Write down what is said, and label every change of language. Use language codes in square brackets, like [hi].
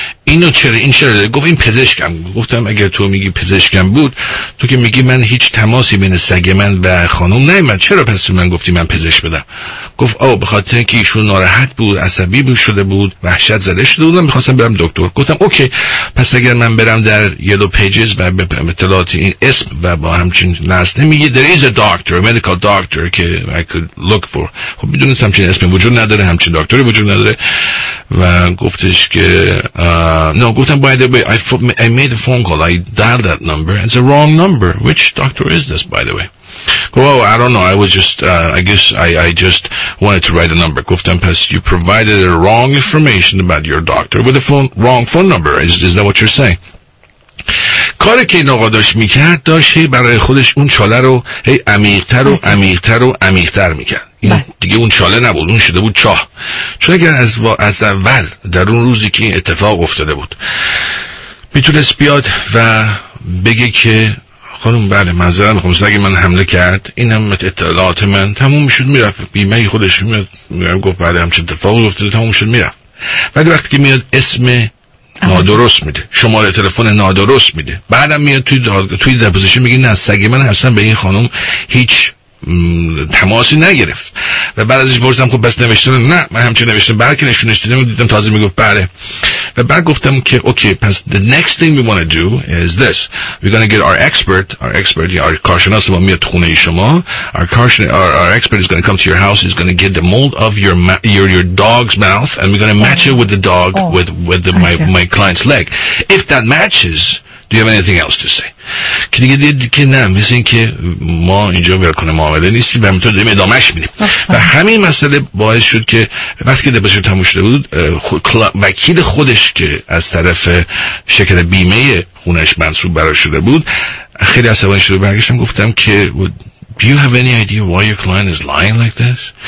[fa] اینو چرا این چرا داره؟ گفت این پزشکم. گفتم اگر تو میگی پزشکم بود، تو که میگی من هیچ تماسی بین سگ من و خانم نیمد، چرا پس من گفتی من پزشک بدم؟ گفت آه، به خاطر اینکه ایشون ناراحت بود، عصبی بود، شده بود، وحشت زده شده بودم، میخواستم برم دکتر. گفتم اوکی، پس اگر من برم در یلو پیجز و به اطلاعات این اسم و با همچین نسته میگه [en] there is a doctor, a medical doctor [fa] که [en] I could look for. [fa] خب میدونست همچین اسم وجود نداره، همچین دکتری وجود نداره. و گفتش که نه، گفتم [en] by the way I made a phone call, I dialed that number, it's a wrong number, which doctor is this by the way? Oh, I don't know, I was just, I guess I just wanted to write a number. [fa] گفتم پس [en] you provided a wrong information about your doctor with a phone, wrong phone number, is that what you're saying? [fa] کاری که این آقا داشت میکرد، داشت برای خودش اون چاله رو هی عمیق‌تر و عمیق‌تر و عمیق‌تر میکرد. این دیگه اون چاله نبود، اون شده بود چاه. چون اگر از اول در اون روزی که این اتفاق افتاده بود میتونست بیاد و بگه که خانم بله معذرت میخوام، سگی من حمله کرد، اینم اطلاعات من، تموم میشد میرفت بیمه خودش میاد گفت بله همچه اتفاقی افتاده، تموم میشد میرفت. ولی وقتی که میاد اسم نادرست میده، شماره تلفن نادرست میده، بعدم میاد توی توی دپوزیشن میگه نه سگی من اصلا به این خانم هیچ تماسی نگرفت. و بعد ازش پرسیدم خب بس نوشتم؟ نه من همچه نوشتم، بلکه نشونش دیدم، دیدم تازه میگفت بله. و بعد گفتم که اوکی پس [en] the next thing we want to do is this, we're going to get our expert our [fa] کارشناس ما میاد خونه شما, [en] our expert is going to come to your house, he's going to get the mold of your dog's mouth and we're going to match it with the dog with my client's leg. If that matches, do you have anything else to say? [fa] که دیگه دید که نه، مثل این که ما اینجا برکنه معامله نیستیم و همینطور داریم ادامهش میدیم. و همین مسئله باعث شد که وقتی که دپوزیشن تموم شده بود، وکیل خودش که از طرف شرکت بیمه خونش منصوب برای شده بود، خیلی عصبانی شده، برگشتم گفتم که [en] Do you have any idea why your client is lying like this?